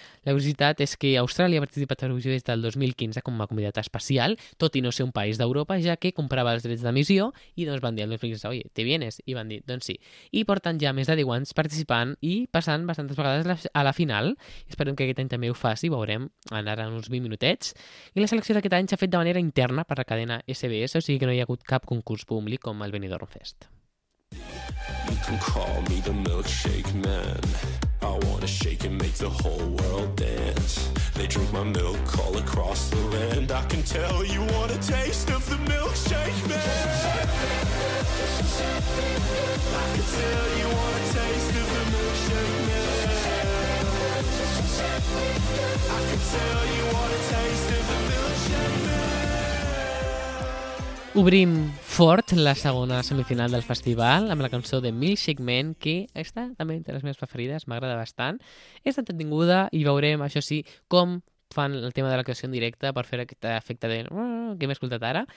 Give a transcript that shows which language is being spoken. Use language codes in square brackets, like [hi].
[ca] La curiositat és que Austràlia ha participat a l'emissió des del 2015 com a convidat especial, tot i no ser un país d'Europa, ja que comprava els drets d'emissió i doncs van dir al 2015, oi, [es] te vienes? [ca] I van dir, doncs sí. I porten ja més de 10 anys participant i passant bastantes vegades a la final. Esperem que aquest any també ho faci, ho veurem ara en uns 20 minutets. I la selecció d'aquest any s'ha fet de manera interna per la cadena SBS, o sigui que no hi ha hagut cap concurs públic com el Benidorm Fest. [en] You can call me the milkshake man. I wanna shake and make the whole world dance. They drink my milk all across the land. I can tell you want a taste of the milkshake man. I can tell you want a taste of the milkshake man. I can tell you what it tastes like. [ca] Obrim fort la segona semifinal del festival amb la cançó de Milkshake Man, que està també entre les meves preferides, m'agrada bastant. És entretinguda i veurem, això sí, com fan el tema de la creació en directe per fer aquest efecte de... que m'he escoltat ara.